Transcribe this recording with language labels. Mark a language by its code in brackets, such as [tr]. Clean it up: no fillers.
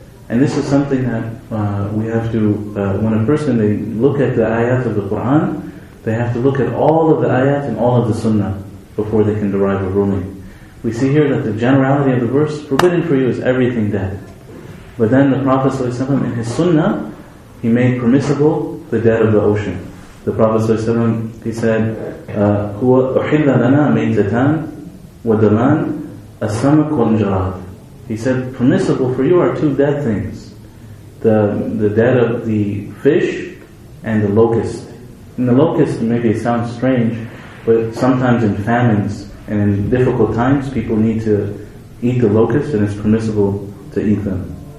[en] And this is something that we have to, when a person, they look at the ayat of the Qur'an, they have to look at all of the ayat and all of the sunnah before they can derive a ruling. We see here that the generality of the verse, forbidden for you is everything dead. But then the Prophet ﷺ in his sunnah, he made permissible the dead of the ocean. The Prophet ﷺ, he said, [ar] هُوَ أُحِلَّ لَنَا مَيْتَتَانْ وَدَمَانْ أَسَّمَكْ وَنْجَرَادْ. [en] He said, permissible for you are two dead things. The dead of the fish and the locust. And the locust, maybe it sounds strange, but sometimes in famines and in difficult times, people need to eat the locust and it's permissible to eat them.